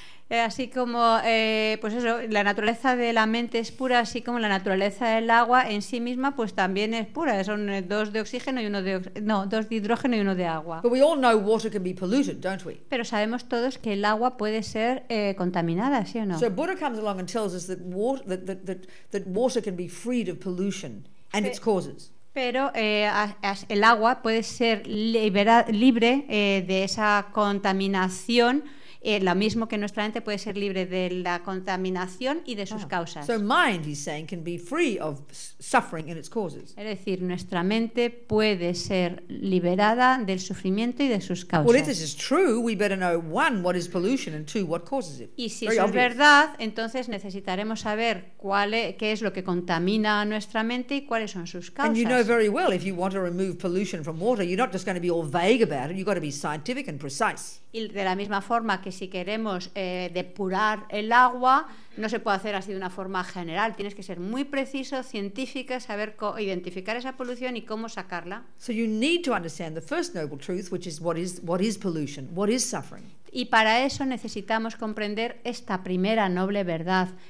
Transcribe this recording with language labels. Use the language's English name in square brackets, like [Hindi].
[Spanish] así como pues eso, la naturaleza de la mente es pura, así como la naturaleza del agua en sí misma pues también es pura, son dos de oxígeno y uno de dos de hidrógeno y uno de agua. [English] But we all know water can be polluted, don't we? [Spanish] Pero sabemos todos que el agua puede ser contaminada, ¿sí o no? [English] So Buddha comes along and tells us that water can be freed of pollution and its causes. [Spanish] Pero el agua puede ser libre de esa contaminación, lo mismo que nuestra mente puede ser libre de la contaminación y de sus causas. [English] So mind, he's saying, can be free of suffering and its causes. [Spanish] Es decir, nuestra mente puede ser liberada del sufrimiento y de sus causas. [English] Well, if this is true, we better know one, what is pollution, and two, what causes it. [Spanish] Y si eso es verdad, entonces necesitaremos saber qué es lo que contamina a nuestra mente y cuáles son sus causas. [English] And you know very well, if you want to remove pollution from water, you're not just going to be all vague about it. You've got to be scientific and precise. [Spanish] Y de la misma forma que si queremos depurar el agua, no se puede hacer así de una forma general. Tienes que ser muy preciso, científica, saber identificar esa polución y cómo sacarla. [English] So you need to understand the first noble truth, which is what is pollution, what is suffering. [Spanish] Y para eso necesitamos comprender esta primera noble verdad.